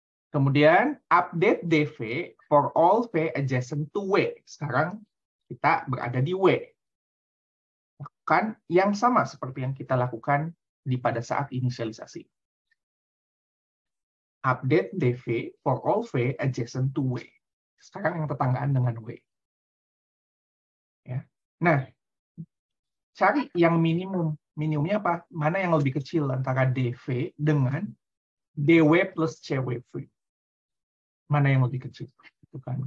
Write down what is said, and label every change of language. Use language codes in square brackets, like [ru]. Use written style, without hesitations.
[id] Kemudian, [en] update DV for all V adjacent to W. [id] Sekarang kita berada di W. Lakukan yang sama seperti yang kita lakukan di pada saat inisialisasi. [en] Update DV for all V adjacent to W. [id] Sekarang yang tetanggaan dengan W. Ya. Nah, cari yang minimum. Minimumnya apa? Mana yang lebih kecil antara DV dengan DW plus CWV. Mana yang lebih kecil? Itu kan.